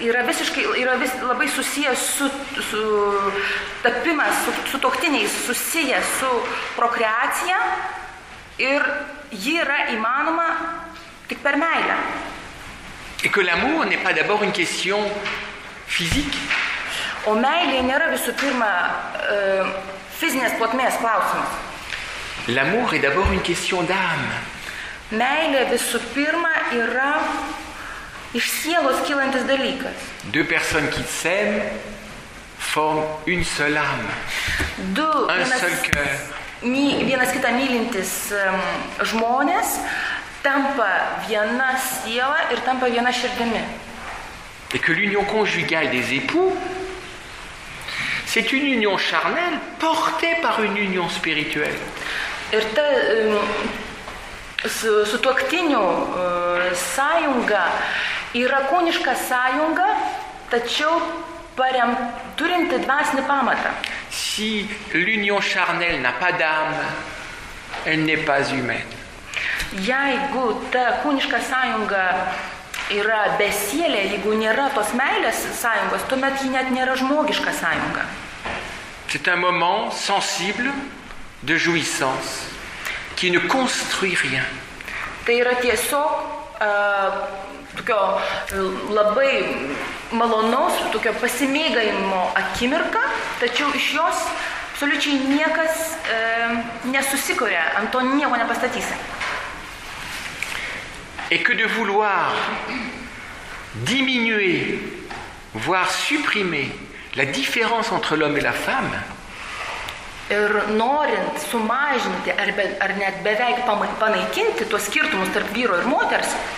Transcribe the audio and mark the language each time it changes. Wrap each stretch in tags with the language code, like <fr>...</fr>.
<lt>yra visiškai yra vis, labai susijęs su, su tapimas, su, su toktiniais, susijęs su prokreacija ir ji yra įmanoma tik per meilę.</lt> <fr>Et que l'amour n'est pas d'abord une question physique.</fr> <lt>O meilė nėra visų pirma fizinės plotmės klausimas.</lt> <fr>L'amour est d'abord une question d'âme.</fr> <lt>Meilė visų pirma yra iš sielos kylantis dalykas.</lt> <fr>Deux personnes qui s'aiment forment une seule âme. Du, un seul cœur.</fr> <lt>Vienas kitą mylintis žmonės tampa viena siela ir tampa viena širdimi.</lt> <fr>Et que l'union conjugale des époux c'est une union charnelle portée par une union spirituelle.</fr> <lt>Ir ta su tuoktinių sąjunga yra kūniška sąjunga, tačiau turinti dvasinį pamatą.</lt> <fr>Si l'union charnelle n'a pas d'âme, elle n'est pas humaine.</fr> <lt>Jeigu ta kūniška sąjunga yra besielė, jeigu nėra tos meilės sąjungos, tuomet ji net nėra žmogiška sąjunga.</lt> <fr>C'est un moment sensible de jouissance qui ne construit rien.</fr> <lt>Tai yra tiesiog tokio labai malonaus, tokio pasimėgavimo akimirka, tačiau iš jos absoliučiai niekas nesusikuria, ant to nieko nepastatysi.</lt> <fr>Et que de vouloir diminuer, voire supprimer la différence entre l'homme et la femme.</fr> <lt>Ir norint sumažinti ar net beveik panaikinti tuos skirtumus tarp vyro ir moters.</lt>